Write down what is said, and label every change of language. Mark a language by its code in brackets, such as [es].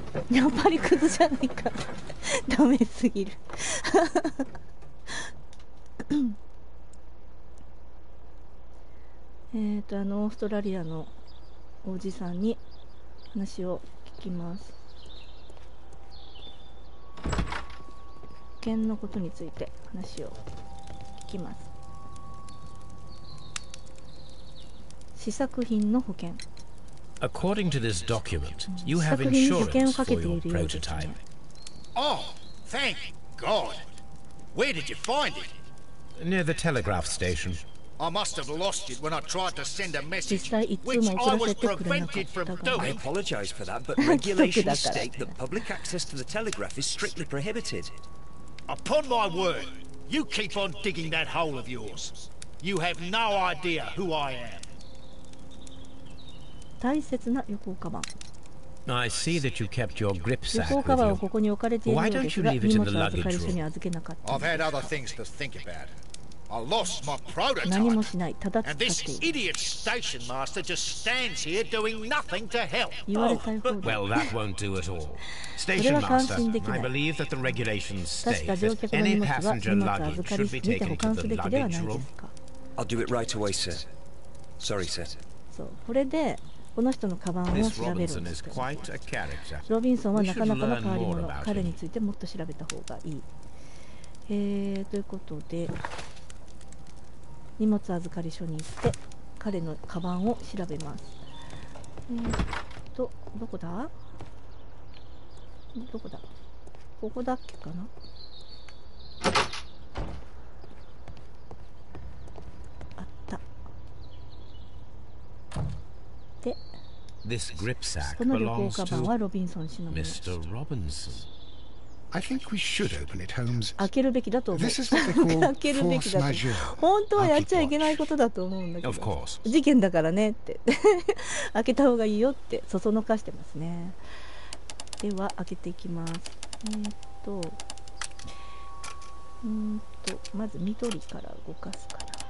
[ja] やっぱりクズじゃないかダメすぎるあのオーストラリアのおじさんに話を聞きます。保険のことについて話を聞きます。試作品の保険、 [en] According to this document, you have insurance for your prototype. Oh, thank God! Where did you find it? Near the telegraph station. I must have lost it when I tried to send a message, which I was prevented from doing. I apologize for that, but regulations state that public access to the telegraph is strictly prohibited. Upon my word, you keep on digging that hole of yours. You have no idea who I am. [ja] 大切な旅行カバン。 [en] I see that you kept your grip sack with you. [ja] 旅行カバンをここに置かれているのですが、荷物を預かり所に預けなかったんですか。 [en] I've had other things to think about. I lost my prototype. [ja] 何もしない、ただ立っている。 [en] And this idiot station master just stands here doing nothing to help. [ja] 言われたい方 [en] が。Well, that won't do at all. Station master, I believe that the regulations state that any passenger luggage should be taken to the luggage room. I'll do it right away, sir. Sorry, sir. [ja] そう、これでこの人のカバンを調べるんですけど。ロビンソンはなかなかの変わり者。彼についてもっと調べた方がいい。ということで。荷物預かり所に行って彼のカバンを調べます。どこだ？どこだ？ここだっけかな？あった。で、 [en] This grip sack [ja] この旅行カバンはロビンソン氏のものです。 [en] Mr. Robinson. I think we should open it, Holmes. [ja] 開けるべきだと思う。 [en] This is what they call [ja] 開けるべきだと。本当はやっちゃいけないことだと思うんだけど。 [en] Of course. [ja] 事件だからねって。開けた方がいいよってそそのかしてますね。では開けていきます。まず緑から動かすから。